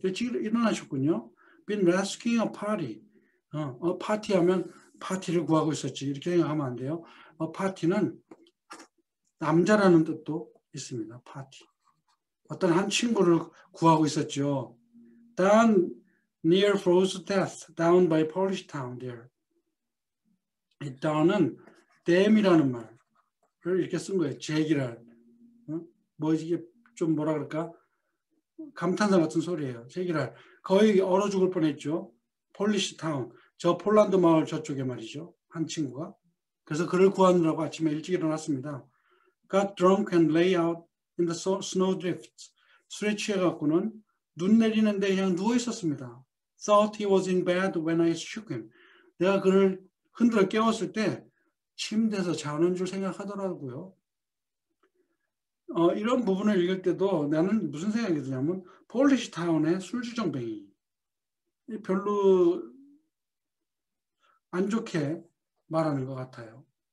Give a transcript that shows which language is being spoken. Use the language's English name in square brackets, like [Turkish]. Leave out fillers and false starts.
[Korean] 일찍 일어나셨군요. [English] Been rescuing a party. [Korean] 파티하면 파티를 구하고 있었지. 이렇게 생각하면 안 돼요. 파티는 남자라는 뜻도 있습니다. 파티. 어떤 한 친구를 구하고 있었죠. [English] Dan near froze to death down by Polish town there. [Korean] 이 Dan은 댐이라는 말을 이렇게 쓴 거예요. 잭이라는. 뭐 이게 좀 뭐라 그럴까? 감탄사 같은 소리예요. 제기랄 거의 얼어 죽을 뻔했죠. 폴리시 타운, 저 폴란드 마을 저쪽에 말이죠. 한 친구가. 그래서 그를 구하느라고 아침에 일찍 일어났습니다. [English] Got drunk and lay out in the snow drift. [Korean] 술에 취해갖고는 눈 내리는데 그냥 누워 있었습니다. [English] Thought he was in bed when I shook him. [Korean] 내가 그를 흔들어 깨웠을 때 침대에서 자는 줄 생각하더라고요. 이런 부분을 읽을 때도 나는 무슨 생각이 드냐면 폴리시 타운의 술주정뱅이 별로 안 좋게 말하는 것 같아요.